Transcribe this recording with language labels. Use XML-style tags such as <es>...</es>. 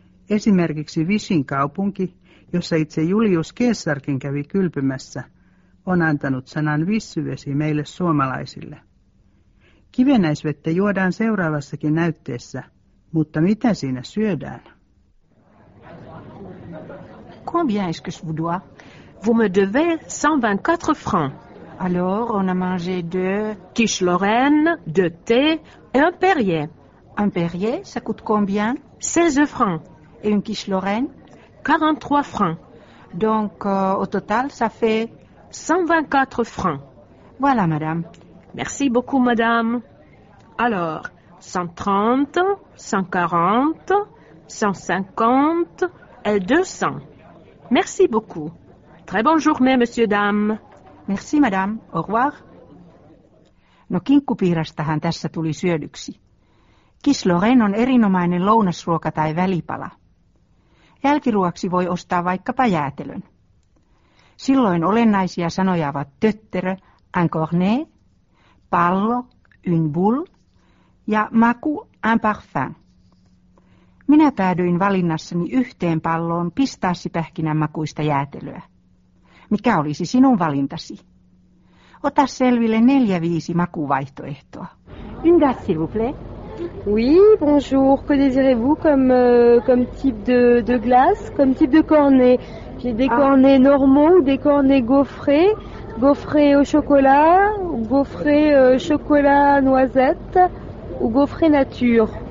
<fi>Esimerkiksi Vichyn kaupunki, jossa itse Julius Caesarkin kävi kylpymässä, on antanut sanan vissyvesi meille suomalaisille. Kivennäisvettä juodaan seuraavassakin näytteessä, mutta mitä siinä syödään?</fi> <fr>Combien est-ce que je vous dois? Vous me devez 124 francs. Alors, on a mangé deux quiche Lorraine, deux thé et un Perrier. Un Perrier, ça coûte combien? 16 francs. Et une quiche Lorraine? 43 francs. Donc, au total, ça fait 124 francs. Voilà, madame. Merci beaucoup, madame. Alors, 130, 140, 150 et 200. Merci beaucoup. Très bonne journée, monsieur, dame. Merci, madame. Au revoir.</fr> <fi>No kinkkupiirastahan tässä tuli syödyksi. Quiche Lorraine on erinomainen lounasruoka tai välipala. Jälkiruoksi voi ostaa vaikkapa jäätelön. Silloin olennaisia sanoja ovat tötterö, un cornet, pallo, une boule ja maku, un parfum. Minä päädyin valinnassani yhteen palloon pistaassipähkinän makuista jäätelöä. Mikä olisi sinun valintasi? Ota selville 4-5 makuvaihtoehtoa.</fi> <fr>Une glace, s'il vous plaît. Oui, bonjour. Que désirez-vous comme type de glace, comme type de cornet? J'ai des cornets normaux ou des cornets gaufrés, gaufrés au chocolat, gaufrés chocolat noisette ou gaufrés nature.</fr>